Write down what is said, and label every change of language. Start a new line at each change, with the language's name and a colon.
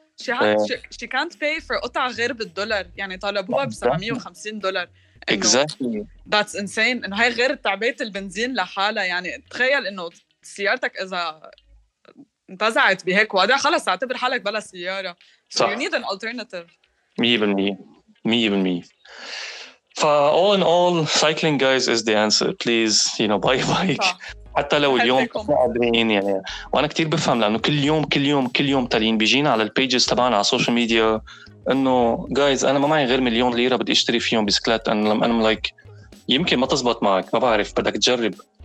English: She can't pay for
Arabic: قطع غير بالدولار, يعني طالبوها ب 750 دولار.
English: Exactly. That's insane.
Arabic: إنه هاي غير تعبية البنزين لحالها, يعني تخيل إنه سيارتك إذا انتزعت بهيك وضع خلص اعتبر حالك بلا سيارة.
English: So you need an alternative. 100%. All in all, cycling guys is the answer. Please, you know, buy a bike.
Arabic: حتى لو اليوم قادرين, يعني وانا كتير بفهم, لانه كل يوم كل يوم كل يوم تلين بيجينا على البيجز تبعنا على السوشيال ميديا انه جايز انا ما معي غير مليون ليره بدي اشتري فيهم بسكليت. انا لايك like, يمكن ما تزبط معك, ما بعرف, بدك تجرب.